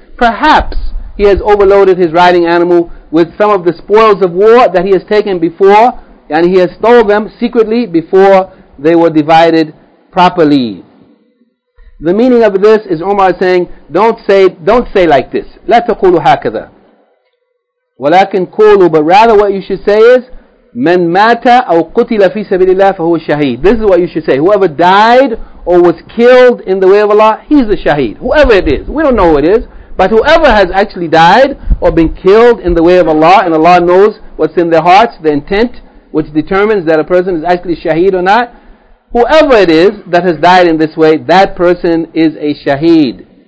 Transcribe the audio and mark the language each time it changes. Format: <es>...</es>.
<en>Perhaps he has overloaded his riding animal with some of the spoils of war that he has taken before, and he has stole them secretly before they were divided properly. The meaning of this is Omar is saying, don't say like this.</en> <ar>La taqulu hakadha. ولكن قولوا,</ar> <en>but rather what you should say is,</en> <ar>من مات أو قتل في سبيل الله فهو شهيد.</ar> <en>This is what you should say. Whoever died or was killed in the way of Allah, he's a shaheed. Whoever it is, we don't know who it is, but whoever has actually died or been killed in the way of Allah, and Allah knows what's in their hearts, the intent which determines that a person is actually shaheed or not, whoever it is that has died in this way, that person is a shaheed.</en>